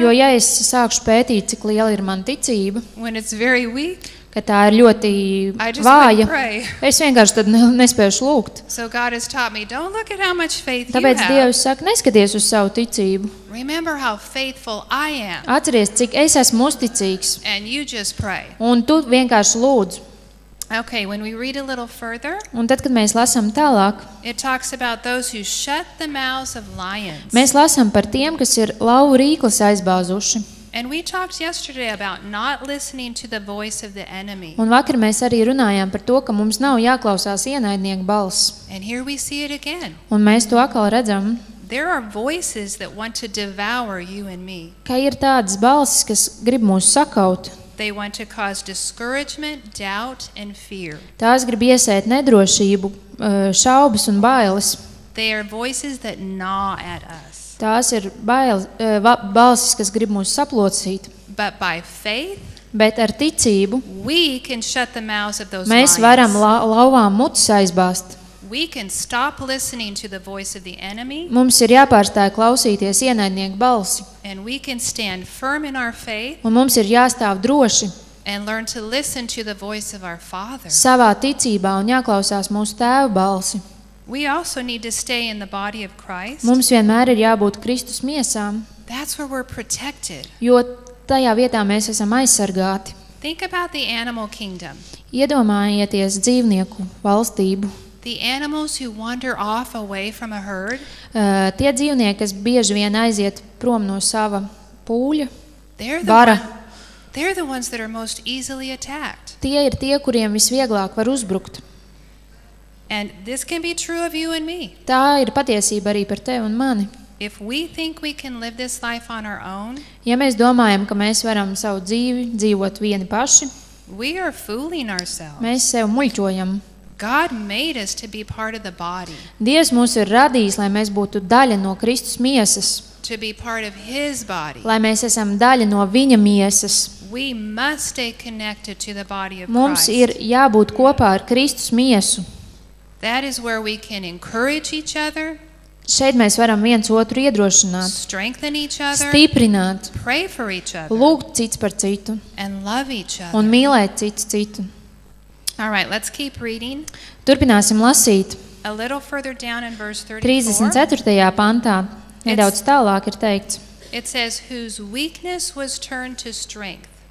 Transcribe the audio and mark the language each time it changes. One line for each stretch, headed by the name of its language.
Latvian: Jo ja es sākšu pētīt, cik liela ir man ticība.
English: When it's very weak.
Latvian: Ka tā ir ļoti vāja. Es vienkārši tad nespēšu lūgt.
English: So God has taught me, don't look at how much faith
Latvian: tāpēc
English: you have.
Latvian: Tāpēc Dievs saka, neskaties uz savu ticību.
English: Remember how faithful I am.
Latvian: Atceries, cik es esmu uzticīgs.
English: And you just pray.
Latvian: Un tu vienkārši lūdz.
English: Okay, when we read a little further.
Latvian: Un tad, kad mēs lasām tālāk.
English: It talks about those who shut the mouths of lions.
Latvian: Mēs lasām par tiem, kas ir lauva rīkles aizbāzuši.
English: And we talked yesterday about not listening to the voice of the enemy.
Latvian: Un vakar mēs arī runājām par to, ka mums nav jāklausās ienaidnieku balss.
English: And here we see it again.
Latvian: Un mēs to atkal redzam.
English: There are voices that want to devour you and me.
Latvian: Kā ir tādas balss, kas grib mūs sakaut?
English: They want to cause discouragement, doubt and fear.
Latvian: Tās grib iesēt nedrošību, šaubas un bailes.
English: They are voices that gnaw at us.
Latvian: Tās ir balsis, kas grib mūs saplocīt.
English: But by faith,
Latvian: bet ar ticību,
English: we can shut the mouths of those
Latvian: mēs varam lauvām mutes aizbāst.
English: We can stop listening to the voice of the enemy.
Latvian: Mums ir jāpārstāj klausīties ienaidnieku balsi.
English: And we can stand firm in our faith.
Latvian: Un mums ir jāstāv droši.
English: And learn to listen to the voice of our father.
Latvian: Savā ticībā un jāklausās mūsu tēva balsi.
English: We also need to stay in the body of Christ.
Latvian: Mums vienmēr ir jābūt Kristus miesā.
English: That's where we're protected.
Latvian: Jo tajā vietā mēs esam aizsargāti.
English: Think about the animal kingdom.
Latvian: Iedomājieties dzīvnieku valstību.
English: The animals who wander off away from a herd.
Latvian: Tie dzīvnieki, kas bieži vien aiziet prom no sava pūļa.
English: They're the ones that are most easily attacked.
Latvian: Tie ir tie, kuriem visvieglāk var uzbrukt.
English: And this can be true of you and me.
Latvian: Tā ir patiesība arī par tevi un mani.
English: If we think we can live this life on our own,
Latvian: ja mēs domājam, ka mēs varam savu dzīvi dzīvot vieni paši,
English: we are fooling ourselves.
Latvian: Mēs sevi muļķojam.
English: God made us to be part of the body.
Latvian: Dievs mūs ir radījis, lai mēs būtu daļa no Kristus miesas.
English: To be part of his body.
Latvian: Lai mēs esam daļa no viņa miesas.
English: We must stay connected to the body of Christ.
Latvian: Mums ir jābūt kopā ar Kristus miesu.
English: That is where we can encourage each other.
Latvian: Šeit mēs varam viens otru iedrošināt,
English: strengthen each other,
Latvian: stiprināt,
English: pray for each other,
Latvian: lūgt cits par citu,
English: and love each other,
Latvian: un mīlēt cits citu.
English: All right, let's keep reading.
Latvian: Turpināsim lasīt.
English: A little further down in verse 34.
Latvian: 34. Pantā, nedaudz tālāk ir teikts.
English: It says, whose weakness was turned to strength.